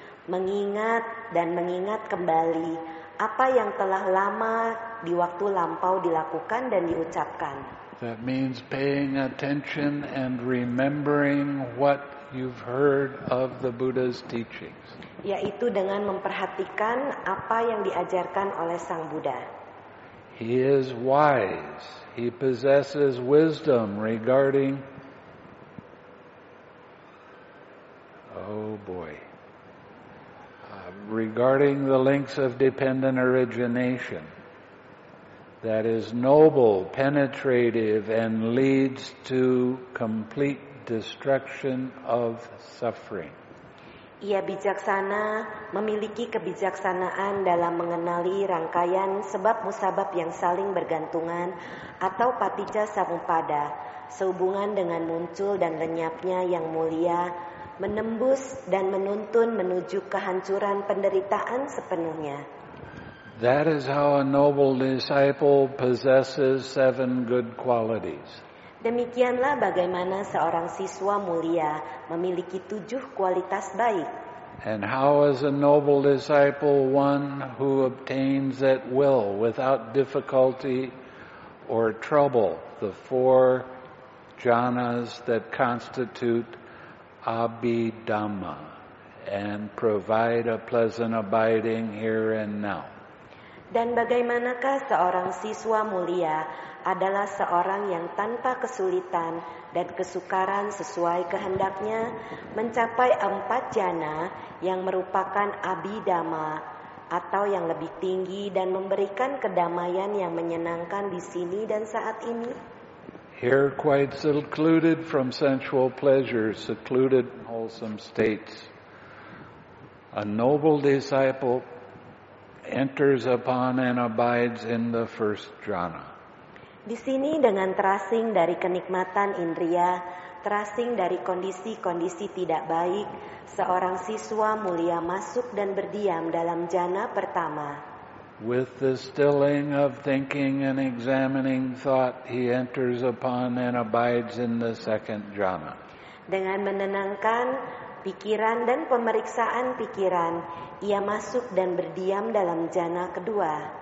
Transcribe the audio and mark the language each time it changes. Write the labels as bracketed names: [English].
[Indonesian] Mengingat dan mengingat kembali apa yang telah lama di waktu lampau dilakukan dan diucapkan. [English] That means paying attention and remembering what you've heard of the Buddha's teachings. [Indonesian] Yaitu dengan memperhatikan apa yang diajarkan oleh Sang Buddha. [English] He is wise. He possesses wisdom regarding... Oh boy. Regarding the links of dependent origination. That is noble, penetrative, and leads to complete destruction of suffering. [Indonesian] Ia bijaksana, memiliki kebijaksanaan dalam mengenali rangkaian sebab-musabab yang saling bergantungan atau paticca samuppada, sehubungan dengan muncul dan lenyapnya yang mulia, menembus dan menuntun menuju kehancuran penderitaan sepenuhnya. [English] That is how a noble disciple possesses seven good qualities. [Indonesian] Demikianlah bagaimana seorang siswa mulia memiliki tujuh kualitas baik. [English] And how is a noble disciple one who obtains at will without difficulty or trouble the four jhanas that constitute Abhidhamma and provide a pleasant abiding here and now? [Indonesian] Dan bagaimanakah seorang siswa mulia adalah seorang yang tanpa kesulitan dan kesukaran sesuai kehendaknya mencapai empat jhana yang merupakan Abhidhamma atau yang lebih tinggi dan memberikan kedamaian yang menyenangkan di sini dan saat ini? [English] Here quite secluded from sensual pleasures, secluded in wholesome states, a noble disciple enters upon and abides in the first jhana. [Indonesian] Di sini dengan terasing dari kenikmatan indria, terasing dari kondisi-kondisi tidak baik, seorang siswa mulia masuk dan berdiam dalam jhana pertama. [English] With the stilling of thinking and examining thought, he enters upon and abides in the second jhana. [Indonesian] Dengan menenangkan pikiran dan pemeriksaan pikiran, ia masuk dan berdiam dalam jhana kedua.